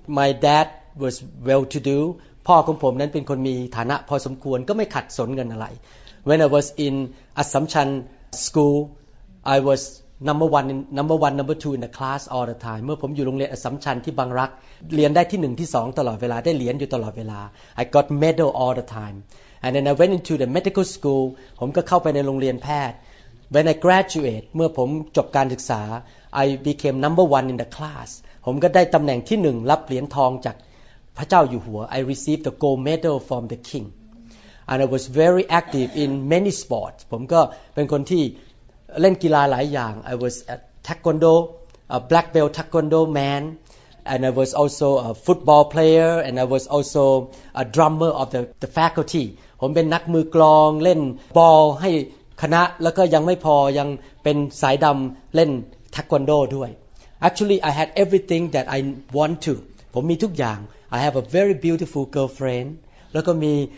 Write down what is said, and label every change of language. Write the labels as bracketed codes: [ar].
[en] My dad was well-to-do. [th] พ่อของผมนั้นเป็นคนมีฐานะพอสมควรก็ไม่ขัดสนเงินอะไร [en] When I was in Assumption School, I was number one, number two in the class all the time. [th] เมื่อผมอยู่โรงเรียนอัสสัมชัญที่บางรักเรียนได้ที่หนึ่งที่สองตลอดเวลาได้เหรียญอยู่ตลอดเวลา [en] I got medal all the time. And then I went into the medical school. [th] ผมก็เข้าไปในโรงเรียนแพทย์ [en] When I graduate, [th] เมื่อผมจบการศึกษา [en] I became number one in the class. [th] ผมก็ได้ตำแหน่งที่หนึ่งรับเหรียญทองจากพระเจ้าอยู่หัว [en] I received the gold medal from the king. And I was very active in many sports. [th] ผมก็เป็นคนที่เล่นกีฬาหลายอย่าง [en] I was a taekwondo a black belt taekwondo man and I was also a football player and I was also a drummer of the faculty [th] ผมเป็นนักมือกลองเล่นบอลให้คณะแล้วก็ยังไม่พอยังเป็นสายดำเล่นทาควันโดด้วย [en] Actually I had everything that I want to [th] ผมมีทุกอย่าง [en] I have a very beautiful girlfriend [th] แล้วก็มี